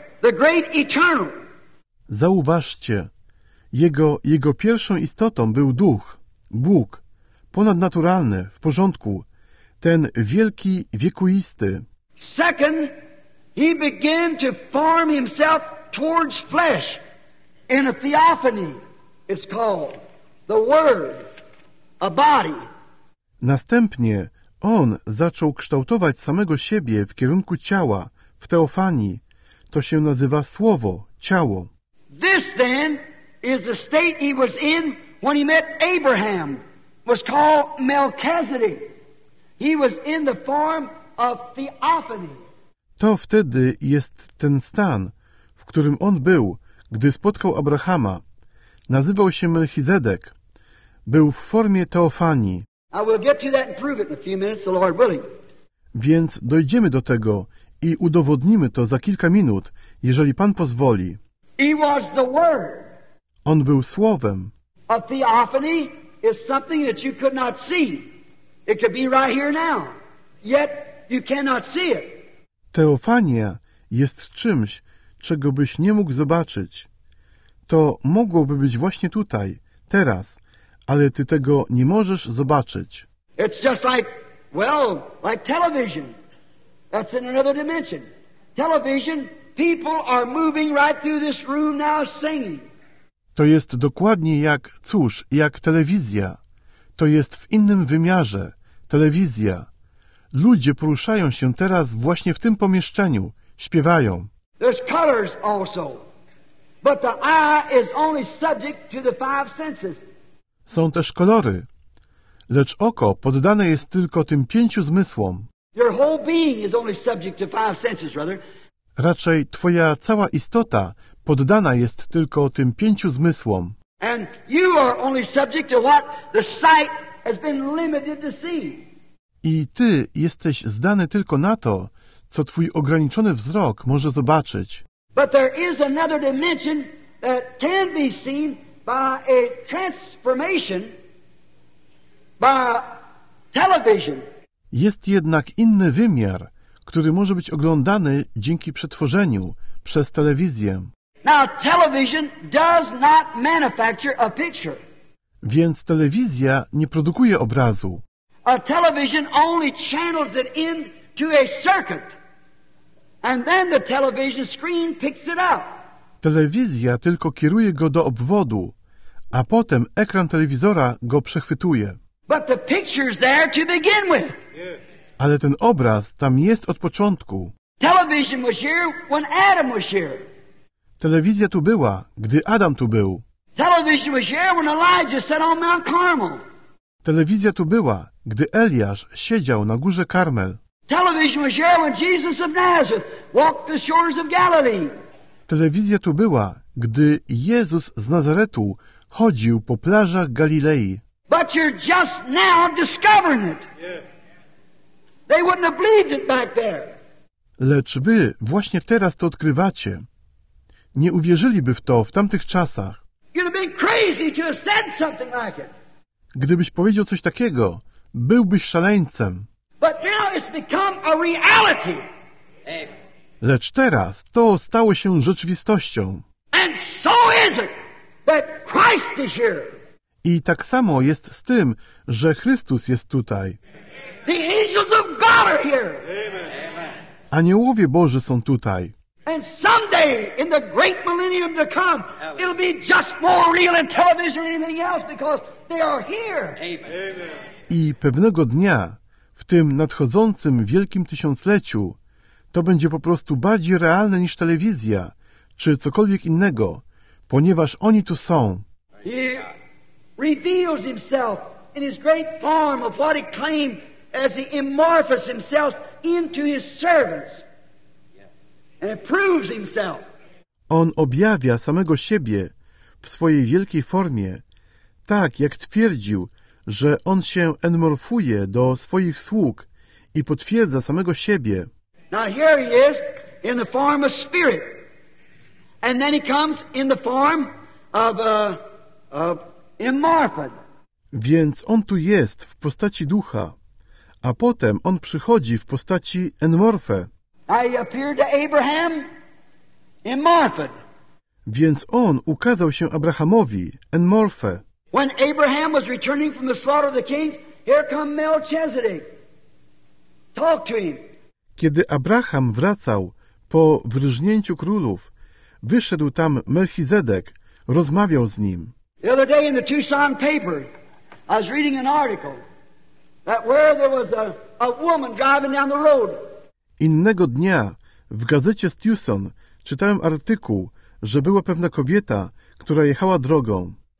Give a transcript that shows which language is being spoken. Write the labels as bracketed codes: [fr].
[en] The great eternal. [pl] Zauważcie, jego pierwszą istotą był duch, Bóg, ponadnaturalny, w porządku, ten wielki, wiekuisty. [en] Second, he began to form himself towards flesh in a theophany, it's called, the Word, a body. [pl] Następnie, on zaczął kształtować samego siebie w kierunku ciała, w teofanii. To się nazywa Słowo, ciało. [en] This then is the state he was in when he met Abraham. It was called Melchizedek. He was in the form of theophany. [pl] To wtedy jest ten stan, w którym on był, gdy spotkał Abrahama. Nazywał się Melchizedek. Był w formie teofanii. [en] I will get to that and prove it in a few minutes, the Lord willing. [pl] Więc dojdziemy do tego i udowodnimy to za kilka minut, jeżeli Pan pozwoli. [en] He was the Word. [pl] On był Słowem. [en] A theophany is something that you could not see. It could be right here now, yet you cannot see it. [pl] Teofania jest czymś, czego byś nie mógł zobaczyć. To mogłoby być właśnie tutaj, teraz. Ale ty tego nie możesz zobaczyć. [en] It's just like, well, like television. That's in another dimension. Television, people are moving right through this room now singing. [pl] To jest dokładnie jak, cóż, jak telewizja. To jest w innym wymiarze. Telewizja. Ludzie poruszają się teraz właśnie w tym pomieszczeniu. Śpiewają. [en] There's colors also. But the eye is only subject to the five senses. [pl] Są też kolory, lecz oko poddane jest tylko tym pięciu zmysłom. [en] Your whole being is only subject to five senses, rather. [pl] Raczej twoja cała istota poddana jest tylko tym pięciu zmysłom. [en] And you are only subject to what the sight has been limited to see. [pl] I ty jesteś zdany tylko na to, co twój ograniczony wzrok może zobaczyć. [en] But there is another dimension that can be seen by a transformation, by television. [pl] Jest jednak inny wymiar, który może być oglądany dzięki przetworzeniu przez telewizję. [en] Now, television does not manufacture a picture. [pl] Więc telewizja nie produkuje obrazu. [en] A television only channels it into a circuit, and then the television screen picks it up. [pl] Telewizja tylko kieruje go do obwodu. A potem ekran telewizora go przechwytuje. [en] But the picture's there to begin with. Yeah. [pl] Ale ten obraz tam jest od początku. [en] Television was here when Adam was here. [pl] Telewizja tu była, gdy Adam tu był. [en] Television was here when Elijah sat on Mount Carmel. [pl] Telewizja tu była, gdy Eliasz siedział na górze Karmel. [en] Television was here when Jesus of Nazareth walked the shores of Galilee. [pl] Telewizja tu była, gdy Jezus z Nazaretu chodził po plażach Galilei. [en] But you're just now discovering it. They wouldn't have believed it back there. [pl] Lecz wy właśnie teraz to odkrywacie. Nie uwierzyliby w to w tamtych czasach. [en] You'd have been crazy to have said something like it. [pl] Gdybyś powiedział coś takiego, byłbyś szaleńcem. [en] But now it's become a reality. [pl] Lecz teraz to stało się rzeczywistością. [en] And so is it that Christ is here. [pl] I tak samo jest z tym, że Chrystus jest tutaj. [en] The angels of God are here. [pl] Aniołowie Boży są tutaj. [en] And someday in the great millennium to come, it'll be just more real than television or anything else because they are here. [pl] I pewnego dnia, w tym nadchodzącym wielkim tysiącleciu, to będzie po prostu bardziej realne niż telewizja czy cokolwiek innego, ponieważ oni tu są. [en] He reveals himself in his great form of what he claimed as he amorphous himself into his servants. And proves himself. [pl] On objawia samego siebie w swojej wielkiej formie, tak jak twierdził, że on się enmorfuje do swoich sług i potwierdza samego siebie. [en] Now here he is in the form of spirit. And then he comes in the form of immorphed. [pl] Więc on tu jest w postaci ducha, a potem on przychodzi w postaci enmorfe. [en] I appeared to Abraham enmorfed. [pl] Więc on ukazał się Abrahamowi enmorfe. [en] When Abraham was returning from the slaughter of the kings, here come Melchizedek. Talk to him. [pl] Kiedy Abraham wracał po wyróżnięciu królów, wyszedł tam Melchizedek, rozmawiał z nim. [en] The other day in the Tucson paper, I was reading an article that where there was a woman driving down the road. [pl] Innego dnia w gazecie z Tucson czytałem artykuł, że była pewna kobieta, która jechała drogą.